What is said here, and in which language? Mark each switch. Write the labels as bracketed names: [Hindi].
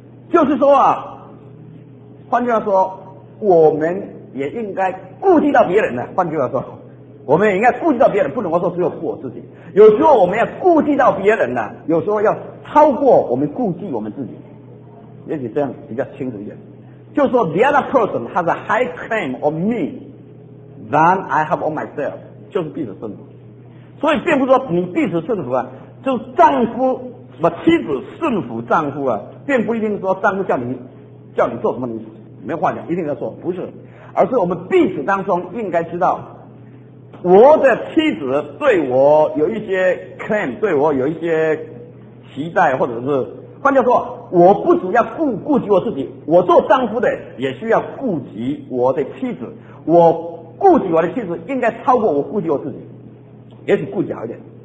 [Chinese] 就是说啊，换句话说，我们也应该顾及到别人的。换句话说，我们也应该顾及到别人，不能说只有顾我自己。有时候我们要顾及到别人的，有时候要超过我们顾及我们自己。也许这样比较清楚一点。就是说 [English] ，the other person has a high claim on me than I have on myself。 [Chinese] 就是彼此顺服，所以并不是说你彼此顺服啊，就丈夫什么妻子顺服丈夫啊，并不一定说丈夫叫你做什么你没话讲一定要做，不是，而是我们彼此当中应该知道我的妻子对我有一些 claim， 对我有一些期待，或者是换句话说，我不只要顾及我自己，我做丈夫的也需要顾及我的妻子，我顾及我的妻子应该超过我顾及我自己，也许顾及好一点。